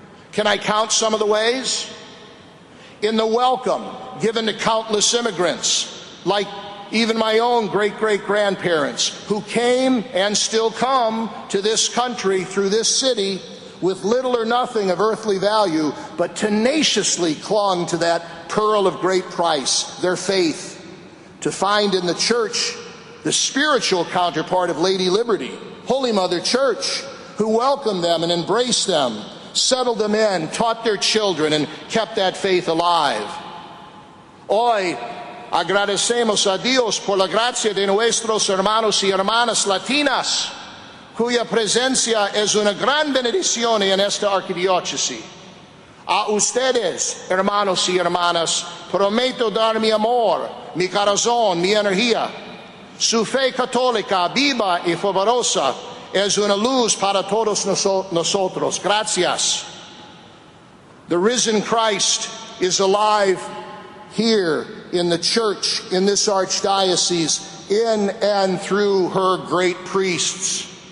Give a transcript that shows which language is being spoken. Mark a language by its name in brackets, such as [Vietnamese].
[English] Can I count some of the ways? In the welcome given to countless immigrants, like even my own great-great-grandparents, who came and still come to this country through this city with little or nothing of earthly value, but tenaciously clung to that pearl of great price, their faith, to find in the church the spiritual counterpart of Lady Liberty, Holy Mother Church, who welcomed them and embraced them, settled them in, taught their children, and kept that faith alive. [Spanish] Hoy agradecemos a Dios por la gracia de nuestros hermanos y hermanas latinas, cuya presencia es una gran bendición en esta arquidiócesis. A ustedes, hermanos y hermanas, prometo dar mi amor, mi corazón, mi energía. Su fe católica, viva y fervorosa, es una luz para todos nosotros. Gracias. [English] The risen Christ is alive here in the church, in this archdiocese, in and through her great priests.